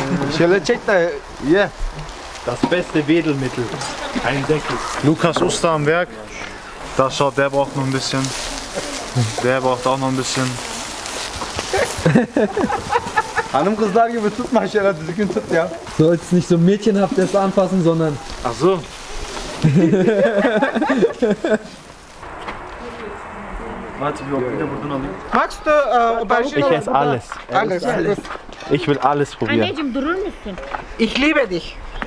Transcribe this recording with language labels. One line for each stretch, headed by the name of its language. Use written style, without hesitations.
German: Ich habe gecheckt, ja. Das beste Wedelmittel. Ein Deckel. Lukas Uster am Werk. Da schaut, der braucht noch ein bisschen. Der braucht auch noch ein bisschen.
Turkish: Hanım kızlar gibi tutma şöyle düzgün tut ya.
German: So jetzt nicht so mädchenhaft das anfassen, sondern. Ach so. Warte, wir wollen wieder Bordeaux. Magst du Ich esse alles. Alles, alles. Ich will alles probieren. Ich liebe dich.